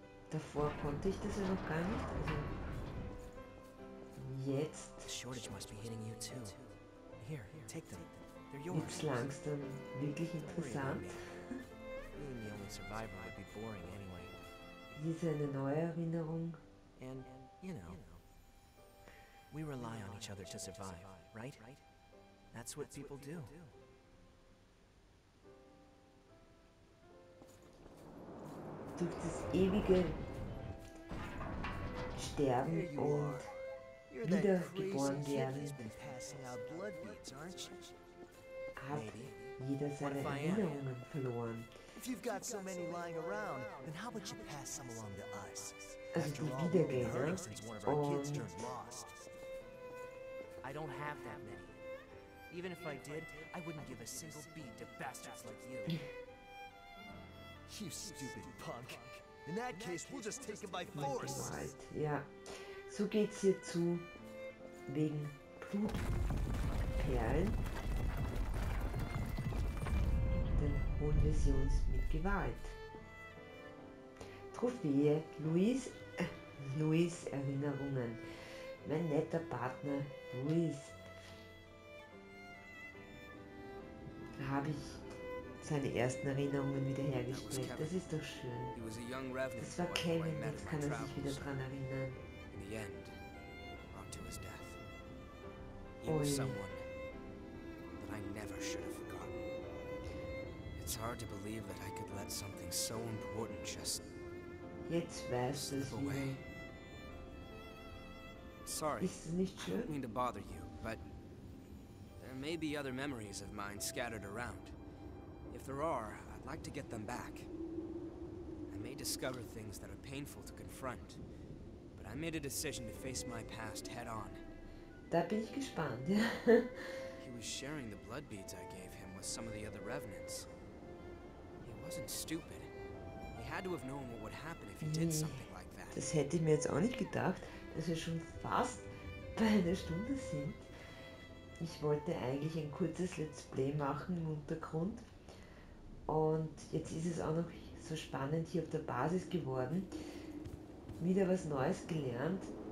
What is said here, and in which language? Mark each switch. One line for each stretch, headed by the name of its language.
German: Davor konnte ich das ja noch gar nicht. Also jetzt. Gibt's langsam wirklich interessant. Hier ist eine neue Erinnerung.
English: We rely on each other to survive, right? That's what people do.
German: Durch das ewige Sterben und wiedergeboren werden, hat jeder seine Erinnerungen verloren.
English: If you've got so many lying around, then how about you pass some along to us?
German: Also die Wiedergänger und
English: I don't have that many. Even if I did, I wouldn't give a single bead to bastards like you. You stupid punk. In that case, we'll just take it by force. Right. Yeah.
German: So geht's hier zu wegen Blutperlen. Dann holen wir sie uns mit Gewalt. Trophäe, Louis, Louis Erinnerungen. Mein netter Partner Louis. Da habe ich seine ersten Erinnerungen wiederhergestellt. Das ist doch schön. Das war Kevin, jetzt kann er sich wieder dran erinnern.
English: In the end, on to his death. He was someone that I never should have forgotten. It's hard to believe that I could let something so important just slip away. Sorry, I don't mean to bother you, but there may be other memories of mine scattered around. If there are, I'd like to get them back. I may discover things that are painful to confront, but I made a decision to face my past head on.
German: Da bin ich gespannt.
English: He was sharing the blood beads I gave him with some of the other revenants. He wasn't stupid. He had to have known what would happen if he did something like that.
German: Das hätte ich mir jetzt auch nicht gedacht, dass wir schon fast bei einer Stunde sind. Ich wollte eigentlich ein kurzes Let's Play machen im Untergrund. Und jetzt ist es auch noch so spannend hier auf der Basis geworden. Wieder was Neues gelernt.